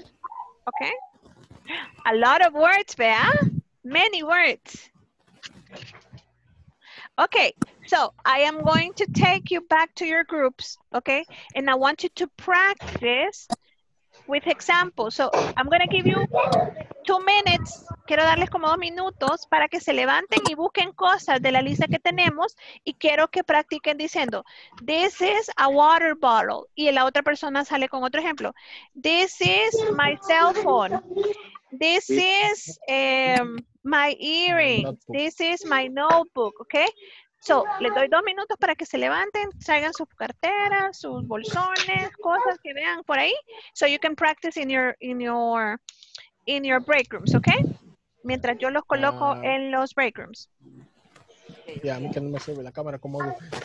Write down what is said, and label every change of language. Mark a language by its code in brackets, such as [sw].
[en] Pen. Okay. A lot of words, Bea. Many words. Okay. So, I am going to take you back to your groups, okay? And I want you to practice with examples. So I'm going to give you 2 minutes. [es] Quiero darles como 2 minutos para que se levanten y busquen cosas de la lista que tenemos. Y quiero que practiquen diciendo, [en] this is a water bottle. [es] Y la otra persona sale con otro ejemplo. [en] This is my cell phone. This is my earrings. This is my notebook. Okay. [es] So, les doy 2 minutos para que se levanten, traigan sus carteras, sus bolsones, cosas que vean por ahí. [en] So you can practice in your break rooms, okay? [es] Mientras yo los coloco en los break rooms. Ya, a mí que no me sirve la cámara, ¿cómo hago?